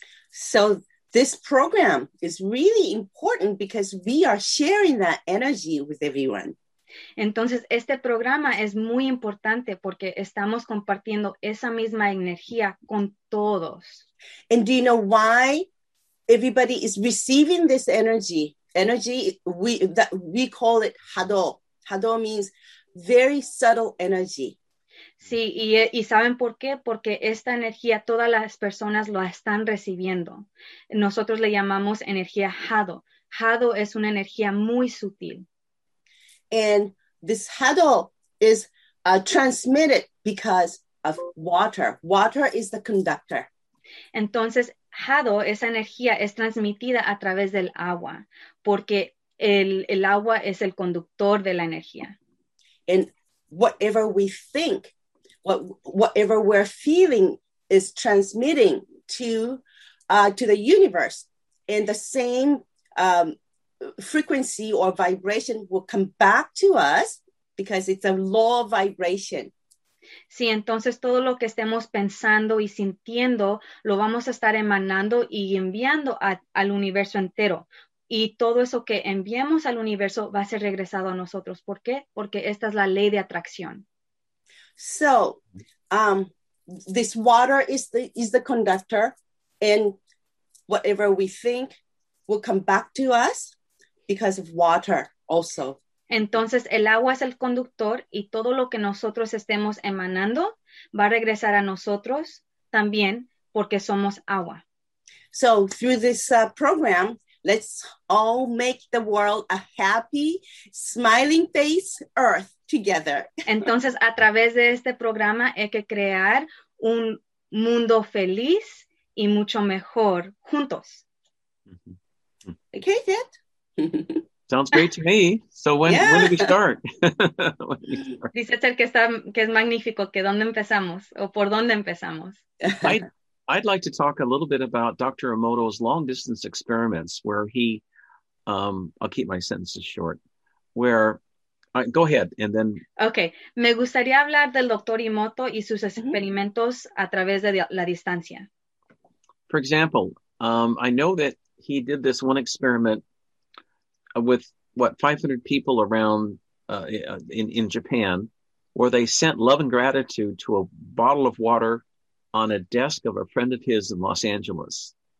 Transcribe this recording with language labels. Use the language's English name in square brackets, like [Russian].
[English] So this program is really important because we are sharing that energy with everyone. [Spanish] Entonces, este programa es muy importante porque estamos compartiendo esa misma energía con todos. [English] And do you know why everybody is receiving this energy? Energy, we call it hado. Hado means very subtle energy. [Spanish] Sí, y ¿saben por qué? Porque esta energía, todas las personas lo están recibiendo. Nosotros le llamamos energía hado. Hado es una energía muy sutil. [English] And this hado is transmitted because of water. Water is the conductor. [Spanish] Entonces, hado, esa energía es transmitida a través del agua, porque el agua es el conductor de la energía. [English] And whatever we think, whatever we're feeling is transmitting to the universe, and the same frequency or vibration will come back to us because it's a law of vibration. [Spanish] Sí, entonces todo lo que estemos pensando y sintiendo lo vamos a estar emanando y enviando al universo entero. Y todo eso que enviemos al universo va a ser regresado a nosotros. ¿Por qué? Porque esta es la ley de atracción. [English] So, this water is the conductor, and whatever we think will come back to us because of water also. [Spanish] Entonces, el agua es el conductor y todo lo que nosotros estemos emanando va a regresar a nosotros también porque somos agua. [English] So, through this program, let's all make the world a happy, smiling face Earth together. [Spanish] Entonces, a través de este programa hay que crear un mundo feliz y mucho mejor juntos. [English] Mm-hmm. Okay, Dad? Sounds great to me. So when do we start? [Spanish] Dice Ser que es magnífico, que ¿dónde empezamos? ¿O por dónde empezamos? [English] I'd like to talk a little bit about Dr. Emoto's long-distance experiments where he, I'll keep my sentences short, where, go ahead, and then... [Spanish] Okay, me gustaría hablar del Dr. Emoto y sus experimentos a través de la distancia. [English] For example, I know that he did this one experiment with, 500 people around in Japan, where they sent love and gratitude to a bottle of water on a desk of a friend of his in Los Angeles.